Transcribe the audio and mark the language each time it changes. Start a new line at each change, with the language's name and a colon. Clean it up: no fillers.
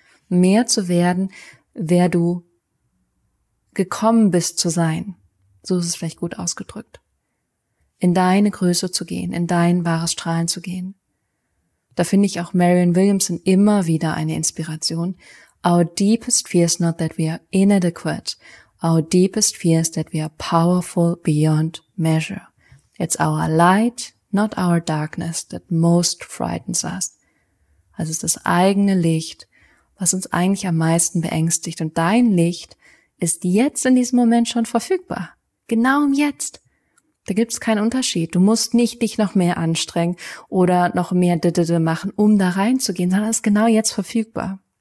German: Mehr zu werden, wer du gekommen bist zu sein. So ist es vielleicht gut ausgedrückt. In deine Größe zu gehen, in dein wahres Strahlen zu gehen. Da finde ich auch Marion Williamson immer wieder eine Inspiration.
English: Our deepest fear is not that we are inadequate. Our deepest fear is that we are powerful beyond measure. It's our light, not our darkness, that most frightens us.
German: Also es ist das eigene Licht, was uns eigentlich am meisten beängstigt. Und dein Licht ist jetzt in diesem Moment schon verfügbar. Genau um jetzt. Da gibt es keinen Unterschied. Du musst nicht dich noch mehr anstrengen oder noch mehr machen, um da reinzugehen, sondern es ist genau jetzt verfügbar.